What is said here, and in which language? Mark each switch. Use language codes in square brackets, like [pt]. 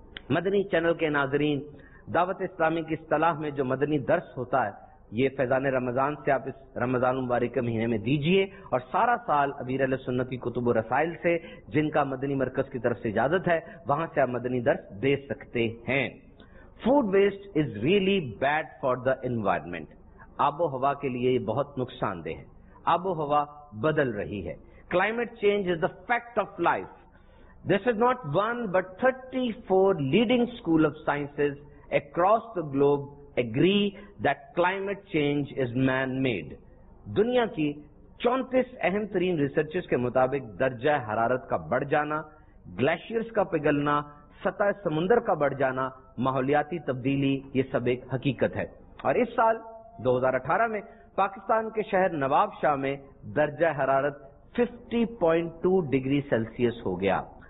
[ur] مدنی channel کے ناظرین، دعوت اسلامی کی اصطلاح میں جو مدنی درس ہوتا ہے، یہ فیضان رمضان سے آپ اس رمضان المبارک کے مہینے میں دیجئے، اور سارا سال امیر علیہ سنت کی کتب و رسائل سے، جن کا مدنی مرکز کی طرف سے اجازت ہے، وہاں سے آپ مدنی درس دے سکتے ہیں۔ [en] food waste is really bad for the environment, [ur] آب و ہوا کے لیے یہ بہت نقصان دہ ہے۔ آب و ہوا بدل رہی ہے، [en] climate change is a fact of life. This is not one but 34 leading school of sciences across the globe agree that climate change is man-made. [ur] دنیا کی 34 اہم ترین ریسرچز کے مطابق درجہ حرارت کا بڑھ جانا، گلیشیئرز کا پگھلنا، سطح سمندر کا بڑھ جانا، ماحولیاتی تبدیلی، یہ سب ایک حقیقت ہے. اور اس سال 2018 میں پاکستان کے شہر نواب شاہ میں درجہ حرارت 50.2 ڈگری سیلسیئس ہو گیا.